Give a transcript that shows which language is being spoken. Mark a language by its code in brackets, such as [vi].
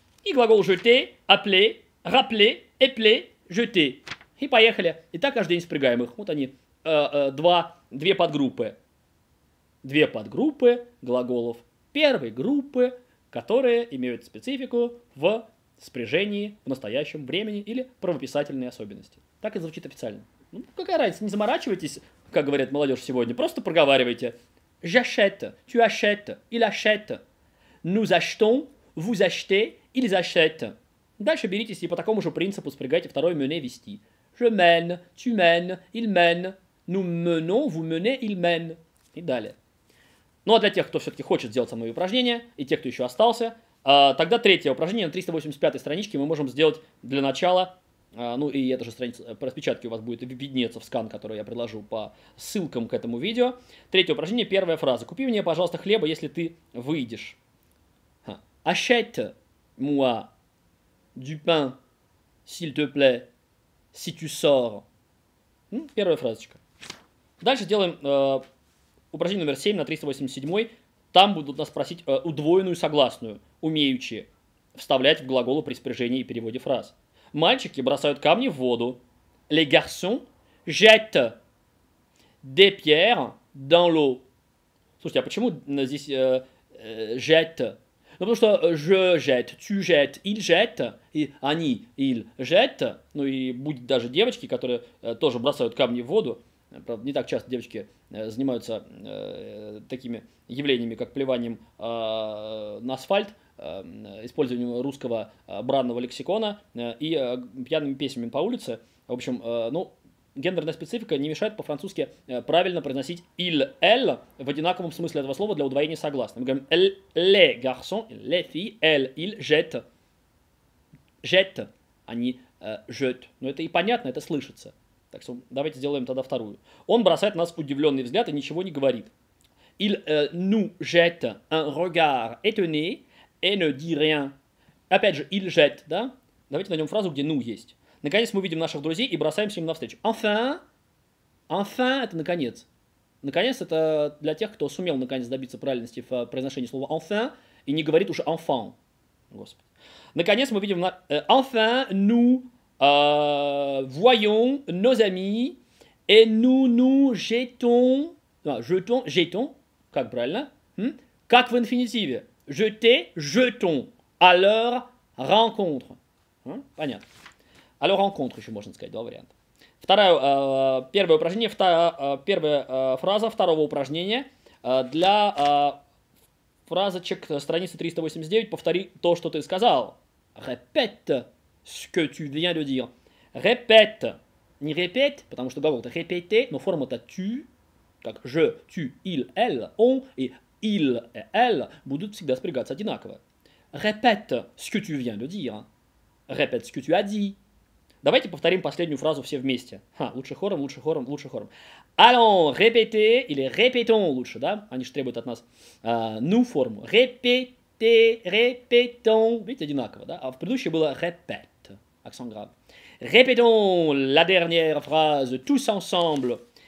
[ru] И глагол jeter, appeler, rappeler, appeler, jeter. И поехали. И так каждый день спрягаем их. Вот они, две подгруппы. Две подгруппы глаголов первой группы, которые имеют специфику в спряжении в настоящем времени или правописательные особенности. Так и звучит официально. Ну, какая разница, не заморачивайтесь, как говорят молодежь сегодня, просто проговаривайте. [fr] J'achète, tu achètes, il achète. Nous achetons, vous achetez, ils achètent. [ru] Дальше беритесь и по такому же принципу спрягайте второе мене вести. [fr] Je mène, tu mènes, il mène. Nous menons, vous menez, il mène. [ru] И далее. Ну, а для тех, кто все-таки хочет сделать со мной упражнение, и тех, кто еще остался, тогда третье упражнение на 385-й страничке мы можем сделать для начала, ну, и эта же страница, распечатки у вас будет виднеться в скан, который я приложу по ссылкам к этому видео. Третье упражнение, первая фраза. Купи мне, пожалуйста, хлеба, если ты выйдешь. [fr] Achète-moi du pain, s'il te plaît, si tu sors. [ru] Ну, первая фразочка. Дальше сделаем упражнение номер 7 на 387-й. Там будут нас просить удвоенную согласную, умеющие вставлять в глаголы при спряжении и переводе фраз. Мальчики бросают камни в воду. [fr] Les garçons jettent des pierres dans l'eau. [ru] Слушайте, а почему здесь jette? Ну, потому что [fr] je jette, tu jette, il jette, и они, il jette. [ru] Ну, и будет даже девочки, которые тоже бросают камни в воду. Правда, не так часто девочки занимаются такими явлениями, как плеванием на асфальт, использованием русского бранного лексикона и пьяными песнями по улице. В общем, ну, гендерная специфика не мешает по-французски правильно произносить «иль», «эль» в одинаковом смысле этого слова для удвоения согласных. Мы говорим «ле гарсон», «ле фи», «эль», «иль», «жет», «жет», а не «жет». Но это и понятно, это слышится. Так что давайте сделаем тогда вторую. Он бросает на нас удивленный взгляд и ничего не говорит. [fr] «Иль ну жет un regard étonné et ne dit rien». [ru] Опять же, «иль жет», да? Давайте найдем фразу, где «ну» есть. Наконец мы видим наших друзей и бросаемся им навстречу. Enfin, enfin – это наконец. Наконец – это для тех, кто сумел наконец добиться правильности в произношении слова enfin и не говорит уже enfant. Господи. Наконец мы видим [fr] enfin, nous voyons nos amis et nous jetons, jetons, как правильно? [ru] Как в инфинитиве. [fr] Jeter, jetons, à leur rencontre. [ru] Понятно. Алло, rencontre еще можно сказать, два варианта. Второе, первое упражнение, первая фраза второго упражнения для фразочек страницы 389. Повтори то, что ты сказал. [fr] Répète ce que tu viens de dire. Répète. [ru] Не répète, потому что глагол это répéter, но форма-то tu, как je, tu, il, elle, on и il и elle будут всегда спрягаться одинаково. [fr] Répète ce que tu viens de dire. Répète ce que tu as dit. [ru] Давайте повторим последнюю фразу все вместе. Ха, лучше хором, лучше хором, лучше хором. [fr] Allons répéter, [ru] или répétons лучше, да? Они же требуют от нас nous форму. [fr] Répéter, répétons. [ru] Видите, одинаково, да? А в предыдущей было répète. [fr] Accent grave. Répétons la dernière phrase tous ensemble.